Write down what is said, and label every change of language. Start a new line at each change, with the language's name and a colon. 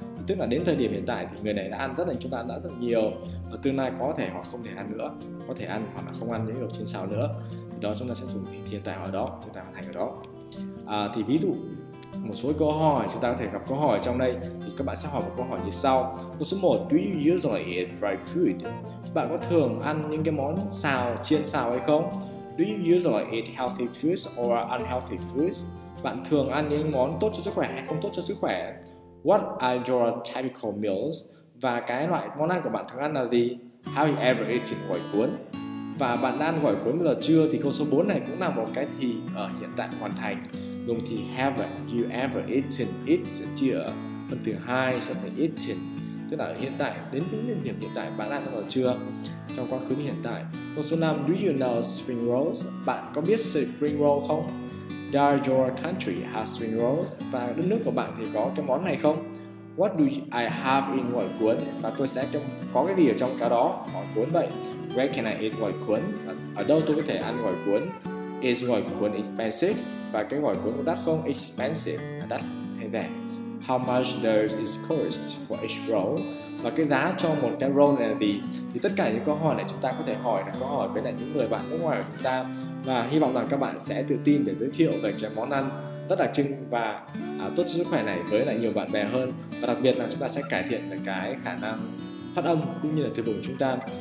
Vietnamese: Tức là đến thời điểm hiện tại thì người này đã ăn rất là, chúng ta đã rất nhiều, và tương lai có thể hoặc không thể ăn nữa, có thể ăn hoặc là không ăn những đồ xiên xào nữa. Thì đó chúng ta sẽ dùng hiện tại ở đó, hiện tại hoàn thành ở đó. Thì ví dụ một số câu hỏi, chúng ta có thể gặp câu hỏi trong đây, thì các bạn sẽ hỏi một câu hỏi như sau. Câu số 1,
English: do you usually eat fried food?
Vietnamese: Bạn có thường ăn những cái món xào, chiên xào hay không?
English: Do you usually eat healthy foods or unhealthy foods?
Vietnamese: Bạn thường ăn những món tốt cho sức khỏe hay không tốt cho sức khỏe?
English: What are your typical meals?
Vietnamese: Và cái loại món ăn của bạn thường ăn là gì?
English: Have you ever eaten
Vietnamese: gỏi cuốn? Và bạn đã ăn gỏi cuốn bao giờ chưa? Thì câu số 4 này cũng là một cái thì ở hiện tại hoàn thành. Dùng thì
English: have you ever eaten it
Vietnamese: sẽ chia phần thứ 2 sẽ thành eaten. Tức là hiện tại, đến những thời điểm hiện tại bạn ăn bao giờ chưa? Trong quá khứ hiện tại. Câu số 5,
English: do you know spring rolls?
Vietnamese: Bạn có biết spring roll không?
English: Does your country have spring rolls?
Vietnamese: Và đất nước của bạn thì có cái món này không?
English: What do I have in
Vietnamese: gỏi cuốn? Và tôi sẽ có cái gì ở trong cái đó? Gỏi cuốn vậy.
English: Where can I eat
Vietnamese: gỏi cuốn? Ở đâu tôi có thể ăn gỏi cuốn?
English: Is gỏi cuốn expensive?
Vietnamese: Và cái gỏi cuốn có đắt không?
English: Expensive.
Vietnamese: À, đắt hay rẻ?
English: How much does it cost for each roll?
Vietnamese: Và cái giá cho một cái roll này là gì? Thì tất cả những câu hỏi này chúng ta có thể hỏi là câu hỏi với lại những người bạn nước ngoài của chúng ta. Và hy vọng rằng các bạn sẽ tự tin để giới thiệu về cái món ăn rất đặc trưng và tốt cho sức khỏe này với lại nhiều bạn bè hơn. Và đặc biệt là chúng ta sẽ cải thiện được cái khả năng phát âm cũng như là từ vựng chúng ta.